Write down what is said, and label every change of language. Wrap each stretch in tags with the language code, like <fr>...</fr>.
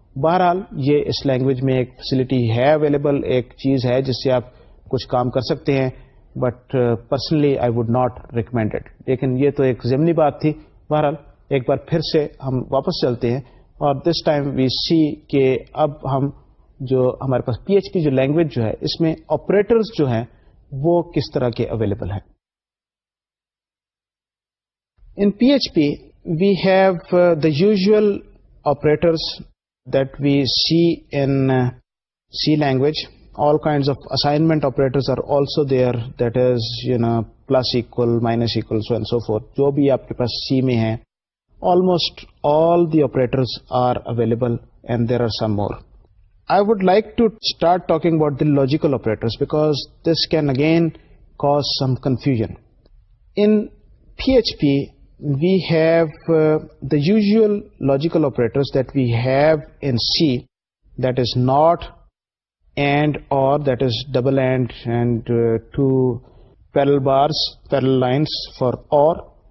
<ur>بہرحال یہ اس لینگویج میں ایک فیسلٹی ہے اویلیبل, ایک چیز ہے جس سے آپ کچھ کام کر سکتے ہیں,</ur> <en>But personally I would not recommend it.</en> <ur>لیکن یہ تو ایک ضمنی بات تھی. بہرحال ایک بار پھر سے ہم واپس چلتے ہیں, اور</ur> <en>this time we see</en> <ur>کہ اب ہم جو ہمارے پاس پی ایچ پی جو لینگویج جو ہے اس میں آپریٹرز جو ہیں وہ کس طرح کے اویلیبل ہیں.</ur> <en>In P H P we have the usual operators that we see in C language. All kinds of assignment operators are also there, that is you know plus equal minus equal so and so forth.</en> <ur>جو بھی آپ کے پاس سی میں ہیں</ur> <en>Almost all the operators are available, and there are some more. I would like to start talking about the logical operators because this can again cause some confusion. In PHP, we have the usual logical operators that we have in C, that is not, and, or, that is double and, and two parallel bars, parallel lines for or.</en>